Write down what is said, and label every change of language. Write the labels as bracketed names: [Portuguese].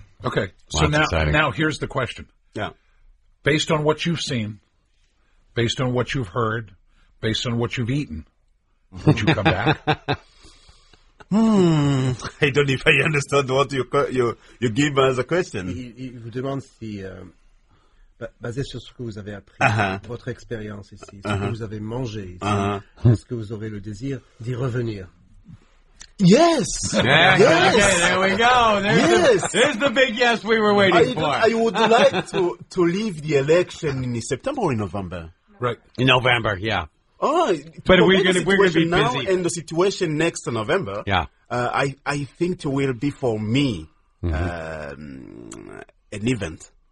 [English] Okay, so now here's the question. Yeah. Based on what you've seen, based on what you've heard, based on what you've eaten, would you come back? I don't know if I understand what you give as a question. You demand the... [French] basé sur ce que vous avez appris, votre expérience ici, ce que vous avez mangé ici, est-ce que vous aurez le désir d'y revenir? [English] Yes! Yeah, yes! Okay, there we go! Yes! There's the big yes we were waiting for. I would like to leave the election in September or in November. Right. In November, yeah. Oh, but we're going to be now busy. And the situation next November, yeah. I think it will be for me an event.